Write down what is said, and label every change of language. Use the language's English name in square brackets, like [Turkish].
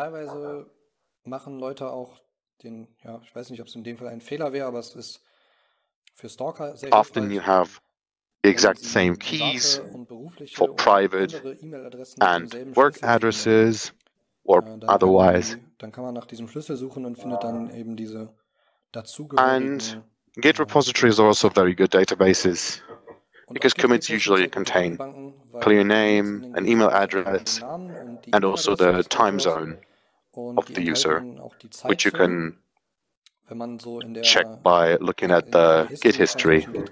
[German] Teilweise machen Leute auch den, ja, ich weiß nicht, ob es in dem Fall ein Fehler wäre, aber es ist für Stalker sehr hilfreich. [English] Often you have the exact same keys for private and work addresses or otherwise. [German] Dann kann man nach diesem Schlüssel suchen und findet dann eben diese dazugehörigen. [English] Git repositories are also very good databases because commits usually contain clear name, an email address, and also the time zone of the user, which you can check by looking at the Git history.